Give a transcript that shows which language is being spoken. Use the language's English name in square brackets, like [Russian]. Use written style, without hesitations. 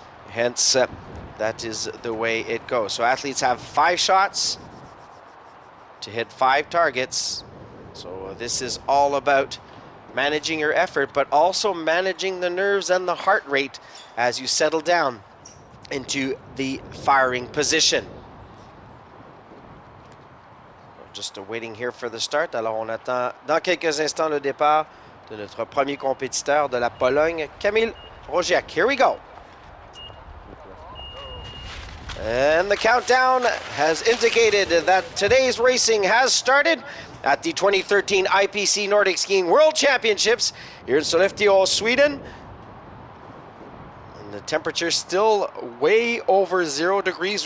[English] Hence, that is the way it goes. So athletes have five shots to hit five targets. So this is all about managing your effort, but also managing the nerves and the heart rate as you settle down into the firing position. Just waiting here for the start. [French] Alors, on attend dans quelques instants le départ de notre premier compétiteur de la Pologne, Kamil Rozek. [English] Here we go. And the countdown has indicated that today's racing has started at the 2013 IPC Nordic Skiing World Championships here in Sollefteå, Sweden. And the temperature still way over 0 degrees.